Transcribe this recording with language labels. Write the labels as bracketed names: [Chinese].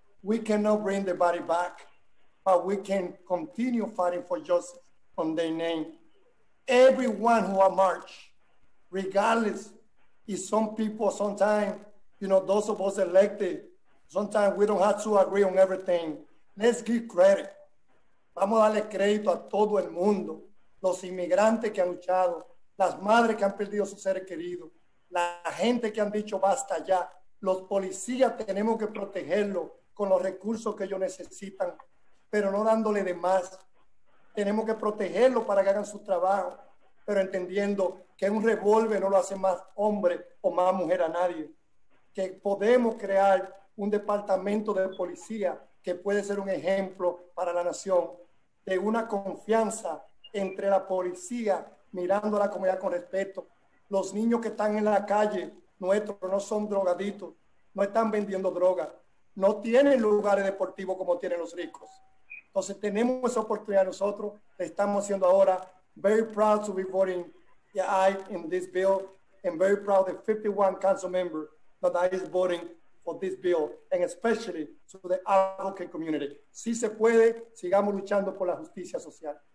[English] We cannot bring the body back, but we can continue fighting for justice on their name. Everyone who are marched, regardless, if some people sometimes, you know, those of us elected, sometimes we don't have to agree on everything. Let's give credit. [Spanish] Vamos a darle crédito a todo el mundo. Los inmigrantes que han luchado, las madres que han perdido sus seres queridos, la gente que han dicho basta ya, los policías tenemos que protegerlos con los recursos que ellos necesitan, pero no dándole de más. Tenemos que protegerlos para que hagan su trabajo, pero entendiendo que un revólver no lo hace más hombre o más mujer a nadie, que podemos crear un departamento de policía que puede ser un ejemplo para la nación, de una confianza entre la policía mirando a la comunidad con respeto. Los niños que están en la calle nuestros no son drogaditos, no están vendiendo droga, no tienen lugares deportivos como tienen los ricos. Entonces tenemos esa oportunidad nosotros, le estamos haciendo ahora. [English] Very proud to be voting aye in this bill, and very proud the 51 council member that I is voting for this bill, and especially to the advocate community. [Spanish] Si se puede, sigamos luchando por la justicia social.